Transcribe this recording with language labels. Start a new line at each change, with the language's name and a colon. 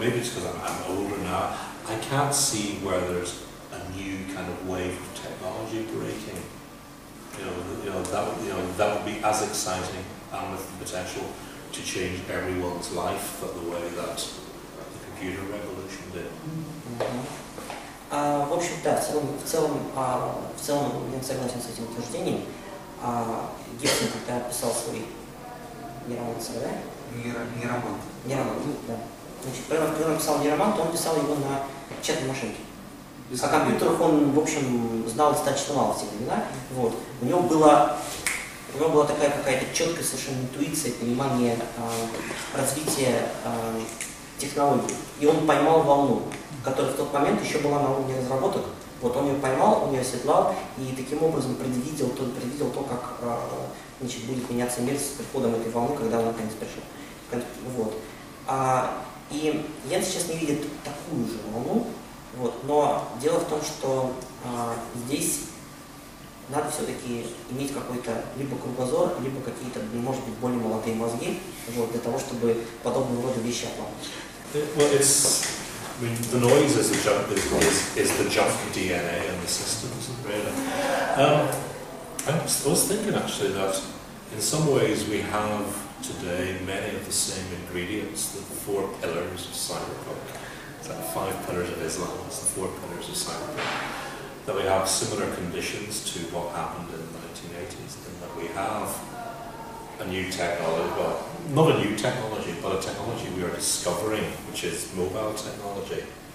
English: Maybe it's because I'm older now. I can't see where there's a new kind of wave of technology breaking. That would be as exciting and with the potential to change everyone's life that the way that the computer revolution did.
Russian: В общем, да, в целом я согласен с этим утверждением. Гибсон, когда писал свой нейромантер, да? Нейромант, да. Значит, когда он писал нейромант, он писал его на чатной машинке. О компьютерах он, в общем, знал достаточно мало в те времена. Вот. У него была такая какая-то четкая совершенно интуиция, понимание развития технологий. И он поймал волну, которая в тот момент еще была на уровне разработок. Вот он ее поймал, он ее оседлал и таким образом предвидел то, как значит, будет меняться мир с приходом этой волны, когда он наконец пришел. Вот. И я сейчас не видел такую же волну, вот, но дело в том, что здесь надо все-таки иметь какой-то либо кругозор, либо какие-то, может быть, более молодые мозги, вот, для того, чтобы подобного рода вещи оплавить.
English: I mean, the noise is the junk DNA in the systems, really. I was thinking, actually, that in some ways we have today many of the same ingredients, the four pillars of cyberpunk, the five pillars of Islam, it's the four pillars of cyberpunk, that we have similar conditions to what happened in the 1980s, and that we have a new technology, well, not a new technology, but a technology we are discovering, which is mobile technology.